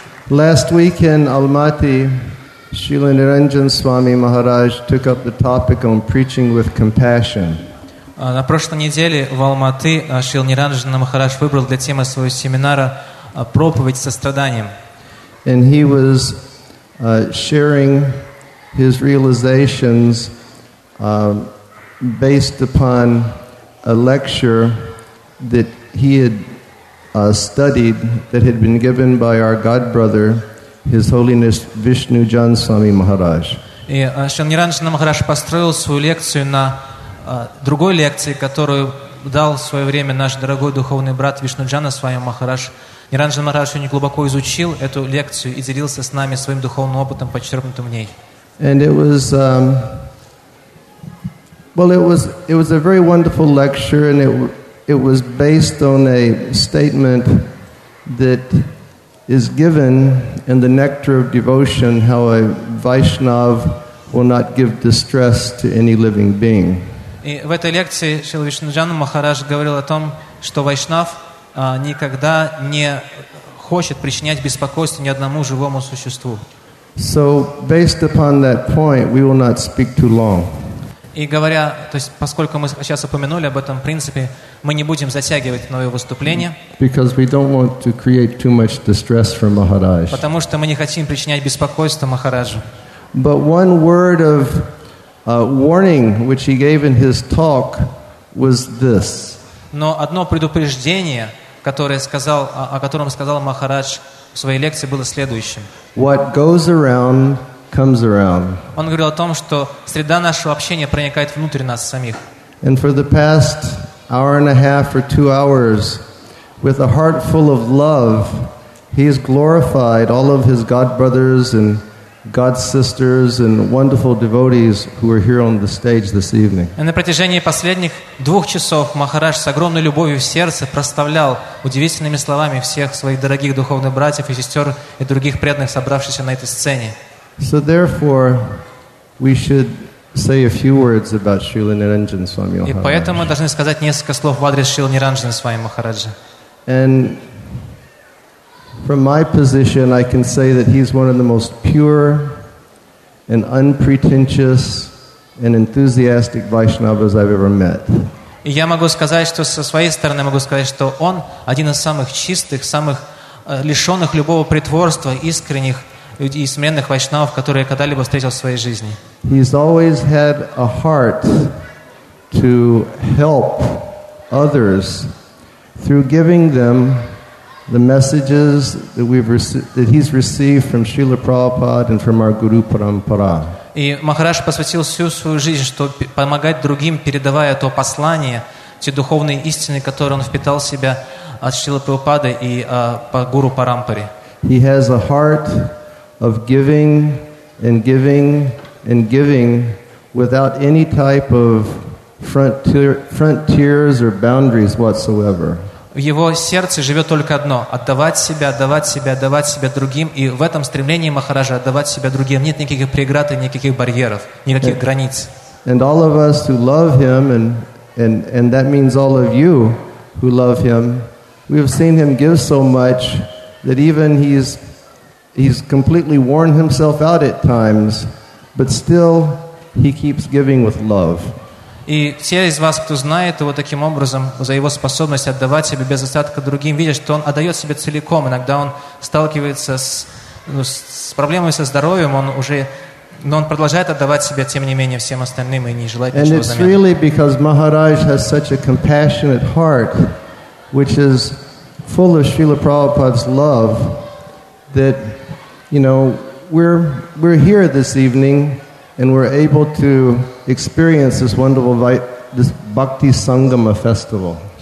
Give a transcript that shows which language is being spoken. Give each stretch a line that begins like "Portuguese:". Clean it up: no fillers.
English: Last week in Almaty, Srila Niranjan Swami Maharaj took up the topic on preaching with compassion.
Russian: На прошлой неделе в Алматы Шрила Ниранджан Махарадж выбрал для темы своего семинара проповедь со страданием.
English: And he was sharing his realizations based upon a lecture that he had studied that had been given by our God brother, His Holiness Vishnu Jan Swami Maharaj.
Russian: И Шрила Ниранджана Махарадж построил свою лекцию на другой лекции, которую дал в свое время наш дорогой духовный брат Вишнуджана Свами Махарадж. Ниранджана Махарадж очень глубоко изучил эту лекцию и делился с нами своим духовным опытом, подчеркнутым в ней.
English: And it was, well, it was a very wonderful lecture, and it was based on a statement that is given in the Nectar of Devotion, how a Vaishnav will not give distress to any living being.
Russian: И в этой лекции Шрила Вишнуджана Махарадж говорил о том, что Вайшнав никогда не хочет причинять беспокойство ни одному живому существу.
English: So, based upon that point, we will not speak too long.
Russian: И говоря, то есть, поскольку мы сейчас упомянули об этом принципе, мы не будем затягивать новое выступление.
English: Because we don't want to create too much distress for Maharaj.
Russian: Потому что мы не хотим причинять беспокойство Махараджу.
English: But one word of warning, which he gave in his talk, was this.
Russian: Но одно предупреждение, которое сказал, о котором сказал Махарадж в своей лекции, было следующим.
English: What goes around comes around.
Russian: Он говорил о том, что среда нашего общения проникает внутрь нас самих.
English: And for the past hour and a half or 2 hours, with a heart full of love, he has glorified all of his God brothers and God sisters and wonderful devotees who are here on the stage this evening.
Russian: На протяжении последних 2 часов Махарадж с огромной любовью в сердце прославлял удивительными словами всех своих дорогих духовных братьев и сестер и других преданных, собравшихся на этой сцене.
English: So therefore, we should say a few words about Srila Niranjan Swami Maharaj.
Russian: И поэтому мы должны сказать несколько слов в адрес Шрилы Ниранджана Свами Махараджа.
English: And from my position, I can say that he's one of the most pure and unpretentious and enthusiastic Vaishnavas I've ever met.
Russian: И я могу сказать, что со своей стороны могу сказать, что он один из самых чистых, самых лишенных любого притворства, искренних и смиренных вайшнавов, которые я когда-либо встретил в своей жизни.
English: He's always had a heart to help others through giving them the messages that he's received from Srila Prabhupada and from our Guru Parampara.
Russian: И Махарадж посвятил всю свою жизнь, чтобы помогать другим, передавая то послание, те духовные истины, которые он впитал в себя от Шрилы Прабхупады и по Гуру Парампаре.
English: He has a heart of giving and giving and giving without any type of frontiers or boundaries whatsoever.
Russian: В его сердце живет только одно – отдавать себя, отдавать себя, отдавать себя другим. И в этом стремлении Махараджа отдавать себя другим нет никаких преград и никаких барьеров, никаких границ.
English: And all of us who love him, and that means all of you who love him, we have seen him give so much that even he's completely worn himself out at times, but still he keeps giving with love.
Russian: И все из вас, кто знает его таким образом, за его способность отдавать себе без остатка другим, видят, что он отдает себе целиком. Иногда он сталкивается с проблемой со здоровьем, но он продолжает отдавать себе, тем не менее, всем остальным и не желает ничего взамен.
English: And it's really because Maharaj has such a compassionate heart, which is full of Srila Prabhupada's love, that, you know, we're here this evening, and we're able to experience this wonderful this Bhakti Sangama festival.